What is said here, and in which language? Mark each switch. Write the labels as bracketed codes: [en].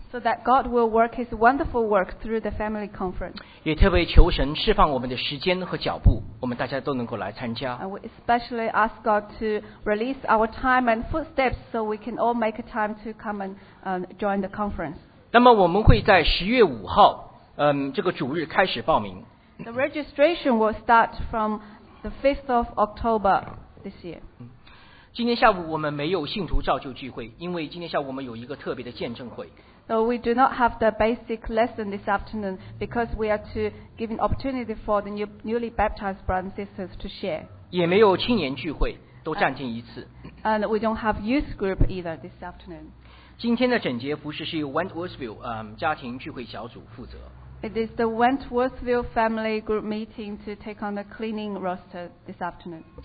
[en] So that God will work His wonderful work through the family conference. [zh] 也特别求神释放我们的时间和脚步, 我们大家都能够来参加。 [en] And we especially ask God to release our time and footsteps so we can all make a time to come and join the conference. [zh] 那么我们会在 10月5号, 这个主日开始报名。 [en] The registration will start from the 5th of October this year. [zh] 今天下午我们没有信徒造就聚会, 因为今天下午我们有一个特别的见证会。 [en] So we do not have the basic lesson this afternoon because we are to give an opportunity for the newly baptized brothers and sisters to share. [zh] 也没有青年聚会, 都暂停一次。 [en] And we don't have youth group either this afternoon. [zh] 今天的整节服事是由 Wentworthville 家庭聚会小组负责。 [en] It is the Wentworthville family group meeting to take on the cleaning roster this afternoon.